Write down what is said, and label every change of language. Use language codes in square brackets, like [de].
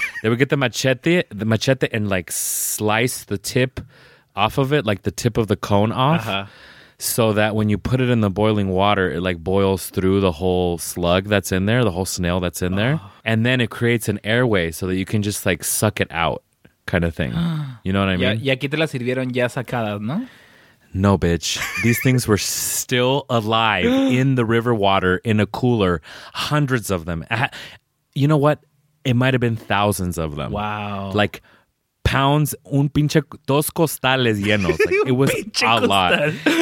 [en] They would get the machete and like slice the tip off of it, like the tip of the cone off. Uh-huh. So that when you put it in the boiling water, it like boils through the whole slug that's in there, the whole snail that's in there. And then it creates an airway so that you can just like suck it out kind of thing. You know what I mean? [es] Y aquí te la sirvieron ya sacadas, ¿no? [en] No, bitch. These things were still alive in the river water in a cooler. Hundreds of them. You know what? It might have been thousands of them. Wow. Like pounds, [es] un pinche, dos costales llenos. [en] Like, it was a lot.